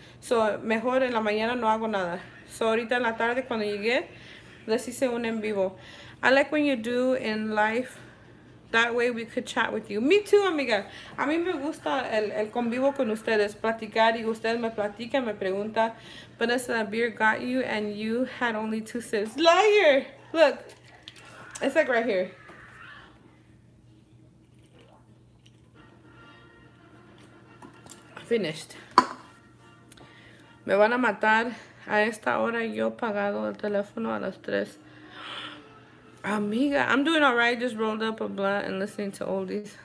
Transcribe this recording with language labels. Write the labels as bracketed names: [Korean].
[English] So, [Spanish] mejor en la mañana no hago nada. So, ahorita en la tarde cuando llegué, les hice un en vivo. [English] I like when you do in life. That way we could chat with you. [Spanish] Me too, amiga. A mí me gusta el convivo con ustedes, platicar y ustedes me platican, me preguntan. [English] Vanessa, that beer got you and you had only 2 sips. Liar! Look. It's like right here. Finished. [Spanish] Me van a matar. A esta hora yo he pagado el teléfono a las 3. [English] Amiga, I'm doing alright. Just rolled up a blunt and listening to oldies.